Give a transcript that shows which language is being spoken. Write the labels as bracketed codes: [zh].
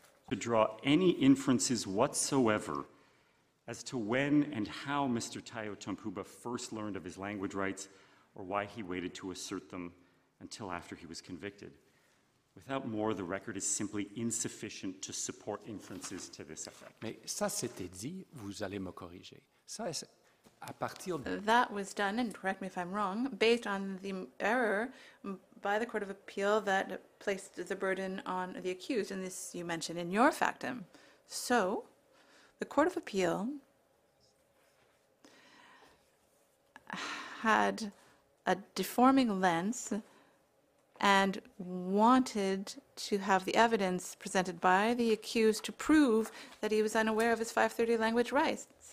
[en] To draw any inferences whatsoever as to when and how Mr. Tayo Tompouba first learned of his language rights or why he waited to assert them until after he was convicted. Without more, the record is simply insufficient to support inferences to this effect. [fr] Mais ça c'était dit, vous allez me corriger. Ça, à partir de... [en] That was done, and correct me if I'm wrong, based on the error by the Court of Appeal that placed the burden on the accused, and this you mentioned in your factum. So, the Court of Appeal had a deforming lens and wanted to have the evidence presented by the accused to prove that he was unaware of his 530 language rights.